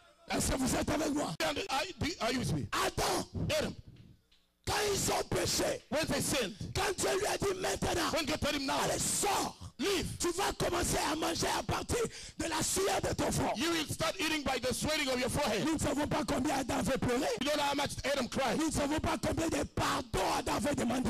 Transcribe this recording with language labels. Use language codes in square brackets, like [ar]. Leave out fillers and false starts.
[fr] Est-ce que vous êtes avec moi? [en] Are you with me? [fr] Adam. [en] Adam. [fr] Quand ils ont péché. [en] When they sinned. [fr] Quand Dieu lui a dit maintenant. [en] When God told him now. [fr] Allez, sors. [en] Leave. [fr] Tu vas commencer à manger à partir de la sueur de ton front. [en] You will start eating by the sweating of your forehead. [fr] Nous ne savons pas combien Adam avait pleuré. [en] You don't know how much Adam cried. [fr] Nous ne savons pas combien de pardons Adam avait demandé.